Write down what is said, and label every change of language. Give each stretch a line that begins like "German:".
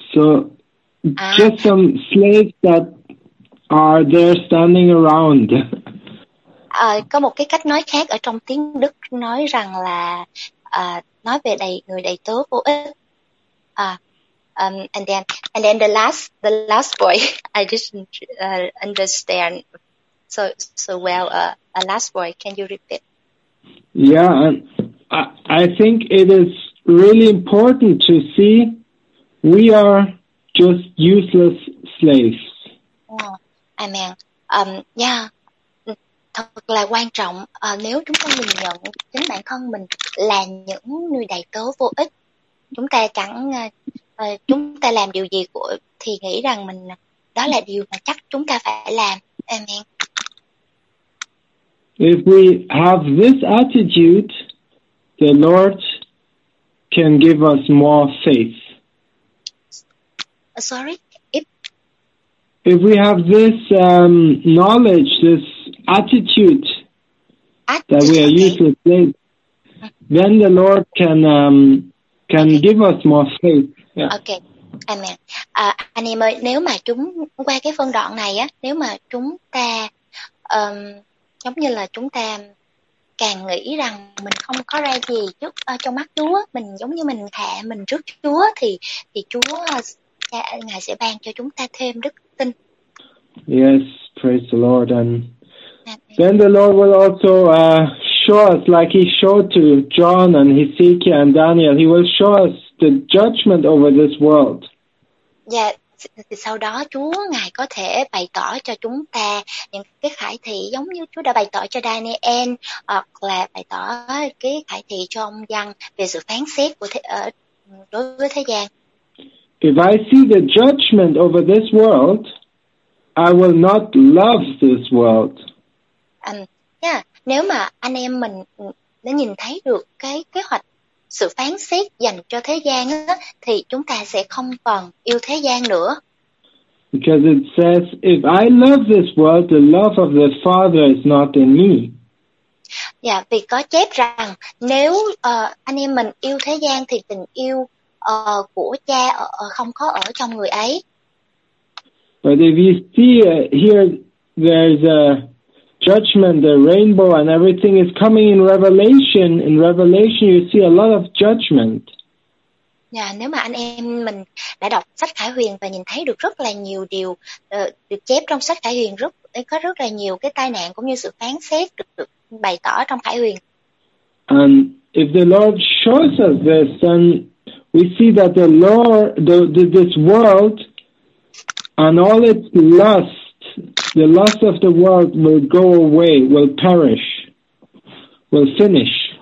English: So just some slaves that are there standing around.
Vietnamese: Có một cái cách nói khác ở trong tiếng Đức nói rằng là nói về đầy người đầy tớ vô ích.
English: And then the last boy I didn't understand so well. A last boy, can you repeat? Yeah, I think it is really important to see we are just useless slaves. Amen.
Vietnamese: Thật là quan trọng nếu chúng ta nhìn nhận chính bản thân mình là những người đầy tớ vô ích. Chúng ta chúng ta làm điều gì của thì nghĩ rằng mình đó là điều mà chắc chúng ta phải làm.
English: Amen. If we have this attitude, the Lord can give us more faith. Sorry? If we have this knowledge, this attitude that we are useless slaves, then the Lord can give us more faith. Yeah. Okay. Amen.
Vietnamese: Anh em ơi, nếu mà chúng qua cái phân đoạn này á, nếu mà chúng ta giống như là chúng ta càng nghĩ rằng mình không có ra gì trước trong mắt Chúa, mình giống như mình hạ mình trước Chúa thì Chúa Ngài sẽ ban cho chúng ta thêm đức tin.
English: Yes, praise the Lord. And then the Lord will also show us, like he showed to John and Ezekiel and Daniel, he will show us the judgment over this world.
Vietnamese: Yeah, sau đó Chúa Ngài có thể bày tỏ cho chúng ta những cái khải thị giống như Chúa đã bày tỏ cho Daniel, hoặc là bày tỏ cái khải thị cho ông Văn về sự phán xét của đối với thế gian.
English: If I see the judgment over this world, I will not love this world.
Vietnamese: Nếu mà anh em mình đã nhìn thấy được cái kế hoạch sự phán xét dành cho thế gian á, thì chúng ta sẽ không còn yêu thế gian nữa.
English: Because it says, if I love this world, the love of the Father is not in me.
Vietnamese: Vì có chép rằng nếu anh em mình yêu thế gian thì tình yêu của cha không có ở trong người ấy.
English: But if you see here, there's a judgment, the rainbow and everything is coming in Revelation. In Revelation, you see a lot of judgment.
Vietnamese: Nếu mà anh em mình đã đọc sách Khải Huyền và nhìn thấy được rất là nhiều điều được chép trong sách Khải Huyền, có rất là nhiều cái tai nạn cũng như sự phán xét được bày tỏ trong Khải Huyền.
English: And if the Lord shows us this, then we see that the Lord, this world and all its lust, the lust of the world will go away, will perish, will finish.